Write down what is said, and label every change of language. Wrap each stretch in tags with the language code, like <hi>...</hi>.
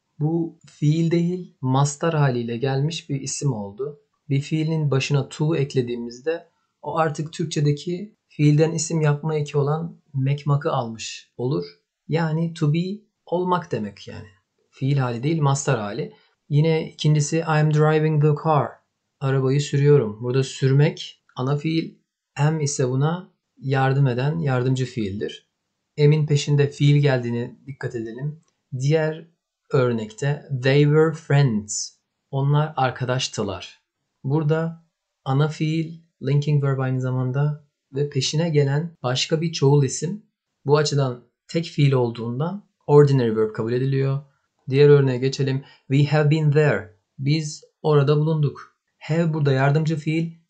<tr>Bu fiil değil, mastar haliyle gelmiş bir isim oldu. Bir fiilin başına to eklediğimizde o artık Türkçedeki fiilden isim yapma eki olan mekmakı almış olur. Yani to be olmak demek yani. Fiil hali değil, mastar hali. Yine ikincisi</tr> <en>I am driving the car.</en> <tr>Arabayı sürüyorum. Burada sürmek ana fiil. Am ise buna yardım eden yardımcı fiildir. Am'in peşinde fiil geldiğini dikkat edelim. Diğer örnekte</tr> <en>they were friends.</en> <tr>Onlar arkadaştılar. Burada ana fiil, linking verb aynı zamanda ve peşine gelen başka bir çoğul isim bu açıdan tek fiil olduğundan ordinary verb kabul ediliyor. Diğer örneğe geçelim.</tr> <en>We have been there.</en> <tr>Biz orada bulunduk. Have burada yardımcı fiil.</tr>